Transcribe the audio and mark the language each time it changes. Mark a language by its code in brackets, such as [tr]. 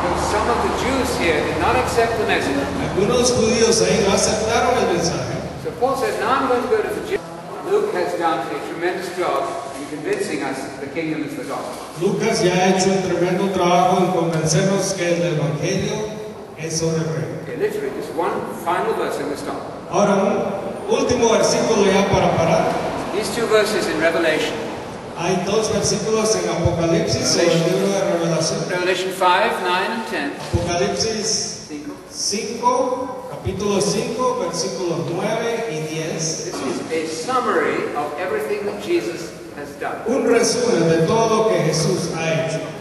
[en] Some of the Jews here did not accept the message. [es] Algunos judíos ahí no aceptaron el mensaje. [en] So Paul said, now I'm going to go to the Jews. Luke has done a tremendous job in convincing us the kingdom is the gospel. [es] Lucas ya ha hecho un tremendo trabajo en convencernos que el evangelio es sobre el reino. [en] Okay, literally, just one final verse in this talk. [es] Ahora, último versículo ya para parar. [en] These two verses in Revelation. [es] Hay dos versículos en Apocalipsis, en el libro de Revelación. [en] Revelation 5, 9 and 10. [es] Apocalipsis 5, capítulo 5, versículos 9 y 10. [en] This is a summary of everything that Jesus has done. [es] Un resumen de todo lo que Jesús ha hecho.